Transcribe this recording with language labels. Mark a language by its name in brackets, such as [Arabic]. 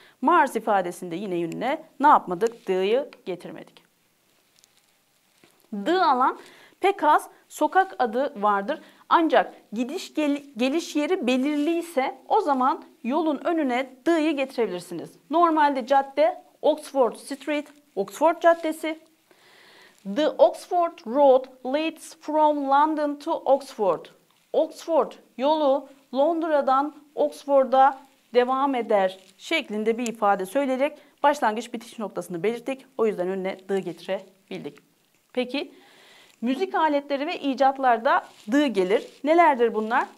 [Turkish] Mars ifadesinde yine önüne ne yapmadık? The'yı getirmedik. The alan pek az sokak adı vardır. Ancak gidiş geliş yeri belirliyse o zaman yolun önüne the'yı getirebilirsiniz. Normalde cadde Oxford Street, Oxford Caddesi. [English] The Oxford Road leads from London to Oxford. [Turkish] Oxford yolu Londra'dan Oxford'a devam eder şeklinde bir ifade söyleyerek başlangıç bitiş noktasını belirttik. O yüzden önüne the'yı getirebildik. Peki, müzik aletleri ve icatlarda the gelir. Nelerdir bunlar?